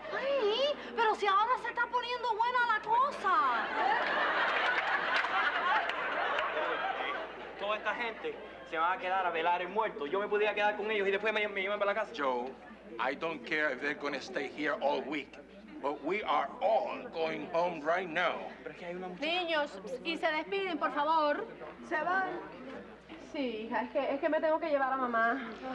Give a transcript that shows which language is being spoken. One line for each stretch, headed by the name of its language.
Spanish: Ay, pero si ahora se está poniendo buena la cosa. Toda esta gente se va a quedar a velar el muerto. Yo me podía quedar con ellos y después me iban para la casa.
English: Joe, I don't care if they're going to stay here all week. But we are all going home right now.
Spanish: Niños, y se despiden, por favor. Se van. Sí, hija, es que me tengo que llevar a mamá.